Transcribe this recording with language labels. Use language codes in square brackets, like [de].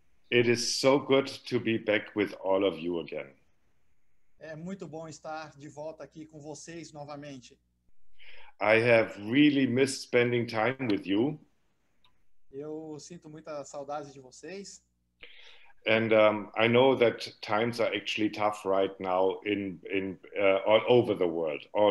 [en] It is so good to be back with all of you again. [pt] É muito bom estar de volta aqui com vocês novamente. [en] I have really missed spending time with you. [pt] Eu sinto muita saudade de vocês. [en] And I know that times are actually tough right now all over the world.